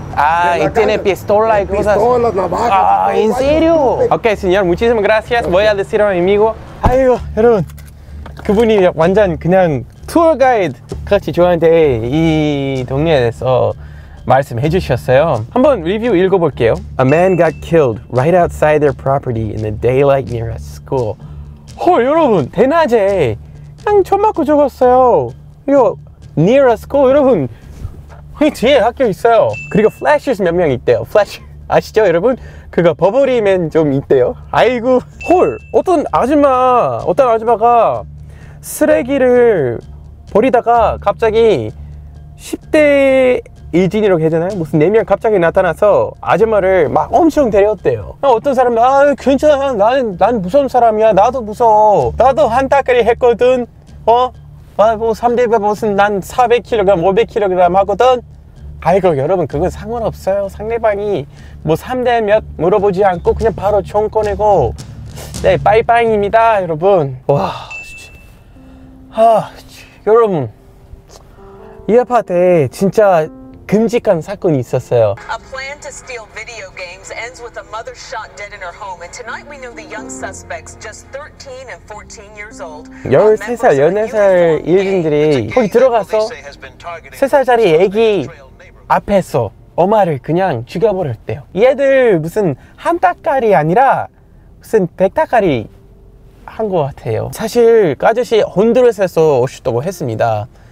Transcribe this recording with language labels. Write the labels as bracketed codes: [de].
[es] Ah, y tiene pistola y cosas. Pistolas, navajas. Ah, ¿en serio? Ok, señor, muchísimas gracias. Voy a decir a mi amigo. Ay, yo, [ko] 여러분. 그분이 완전 그냥 투어 가이드 같이 저한테 이 동네에 대해서 말씀해 주셨어요. 한번 리뷰 읽어볼게요. [en] A man got killed right outside their property in the daylight near a school. [ko] 헐, 여러분 대낮에 그냥 총 맞고 죽었어요. 이거 [en] near a school [ko] 여러분 이 뒤에 학교 있어요. 그리고 flashers 몇 명 있대요. Flash 아시죠 여러분? 그거 버블이맨 좀 있대요. 아이고 헐, 어떤 아줌마가 쓰레기를 버리다가 갑자기 10대 일진이라고 하잖아요. 무슨 4명 갑자기 나타나서 아줌마를 막 엄청 데려왔대요. 어떤 사람은 아 괜찮아 난 무서운 사람이야 나도 무서워 나도 한 따까리 했거든 어? 아 뭐 3대가 무슨 난 400kg 500kg 하거든 아이고 여러분 그건 상관없어요. 상대방이 뭐 3대 몇 물어보지 않고 그냥 바로 총 꺼내고 네 빠이빠이입니다 여러분. 와 진짜 아 여러분 이 아파트에 진짜 끔찍한 사건이 있었어요. [en] A plan to steal video games ends with a mother shot dead in her home. And tonight we know the young suspects just 13 and 14 years old. [ko] 13살, 14살 일진들이 거기 들어가서 3살짜리 애기 앞에서 엄마를 그냥 죽여버렸대요. 얘들 무슨 한 따까리 아니라 무슨 백 따까리 한 것 같아요. 사실 그 아저씨 혼두르스에서 오셨다고 했습니다.